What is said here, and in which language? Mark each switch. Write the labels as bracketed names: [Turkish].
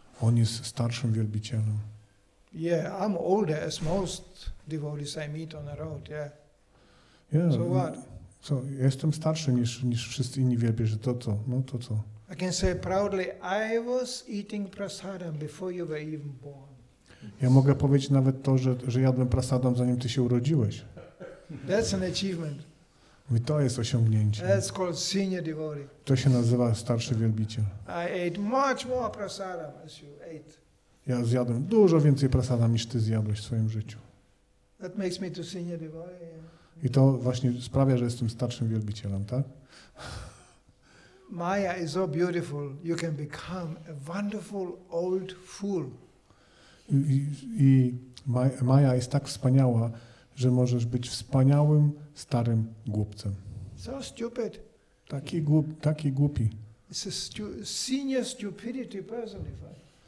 [Polish] On jest starszym wielbicielem. [English] Yeah, I'm older as most devotees I meet on the road, yeah. Yeah. So what? [Polish] So, jestem starszy niż wszyscy inni wielbiciele, to co? [English] I can say proudly, I was eating prasadam before you were even born. [Polish] Ja mogę powiedzieć nawet to, że jadłem prasadam zanim ty się urodziłeś. [English] That's an achievement. [Polish] I to jest osiągnięcie. [English] That's called senior devotee. [Polish] To się nazywa starszy wielbiciel. [English] I ate much more prasadam as you ate. [Polish] Ja zjadłem dużo więcej prasadam niż ty zjadłeś w swoim życiu. [English] That makes me to senior devotee. [Polish] I to właśnie sprawia, że jestem starszym wielbicielem, tak? [English] Maya is so beautiful, you can become a wonderful old fool. [Polish] I Maya jest tak wspaniała, że możesz być wspaniałym, starym głupcem. [English] So stupid. [Polish] taki głupi. [English] It's a senior stupidity personified.